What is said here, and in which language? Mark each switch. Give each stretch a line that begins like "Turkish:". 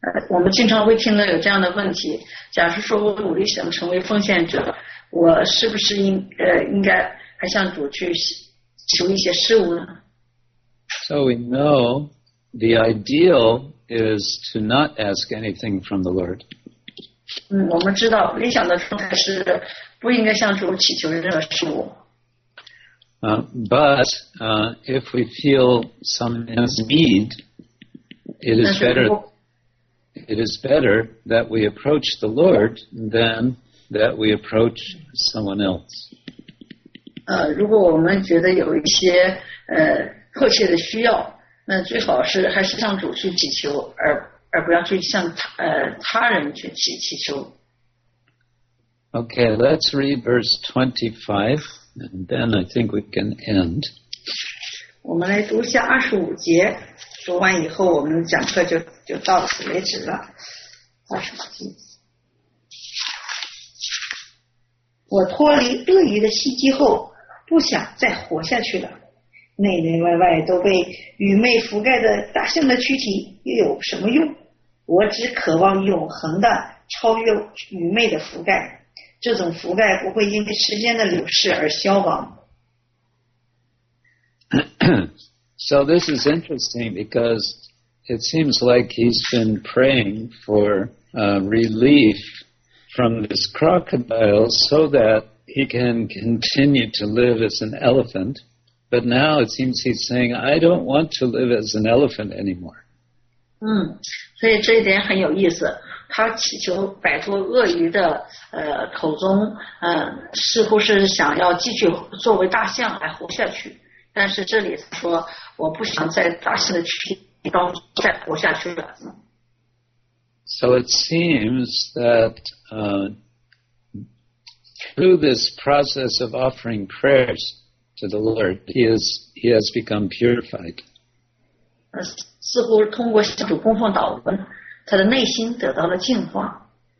Chinese: 我们经常会听到有这样的问题，假如说我努力想成为奉献者，我是不是应该还向主去求一些事物呢？
English: So we know the ideal is to not ask anything from the Lord.
Chinese: 我们知道理想的状态是不应该向主祈求任何事物。
English: But if we feel some need, it is better that we approach the Lord than that we approach someone else.
Chinese: 如果我们觉得有一些迫切的需要，那最好是还是向主去祈求，而不要去向他人去祈求。
English: Okay, let's read verse 25, and then I think we can end.
Chinese: 我们来读一下25节，读完以后我们讲课就到此为止了。 25节，我脱离鳄鱼的袭击后，不想再活下去了。内内外外都被愚昧覆盖的大象的躯体又有什么用？我只渴望永恒的超越愚昧的覆盖，这种覆盖不会因为时间的流逝而消亡。
English: So this is interesting because it seems like he's been praying for relief from this crocodile so that he can continue to live as an elephant. But now it seems he's saying, I don't want to live as an elephant anymore.
Chinese: 所以这一点很有意思。他祈求摆脱鳄鱼的口中，似乎是想要继续作为大象来活下去。但是这里说，我不想在大象的躯体中再活下去了。
English: So it seems that through this process of offering prayers,to the Lord, he has become purified.
Chinese: 似乎通过向主供奉祷文，他的内心得到了净化。